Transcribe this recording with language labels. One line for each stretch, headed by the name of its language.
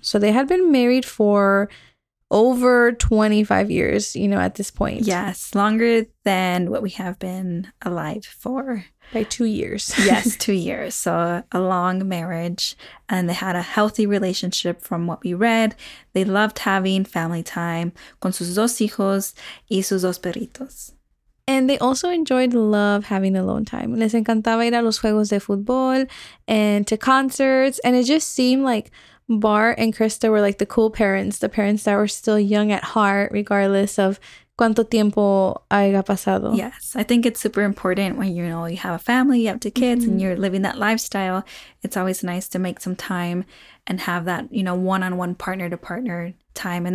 English: So they had been married for over 25 years, you know, at this point. Yes, longer than what we have been alive for. By 2 years. Yes, 2 years. So a long marriage, and they had a healthy relationship from what we read. They loved having family time con sus dos hijos y sus dos perritos. And they also enjoyed love having alone time.
Spanish: Les encantaba ir a los juegos de fútbol and to concerts.
English: And it just seemed like Bart and Krista were like the cool parents, the parents that were still young at heart, regardless of cuánto tiempo haya pasado. Yes, I think it's super important when, you know, you have a family, you have two kids, And you're living that lifestyle. It's always nice to make some time and have that, you know, one-on-one partner-to-partner time.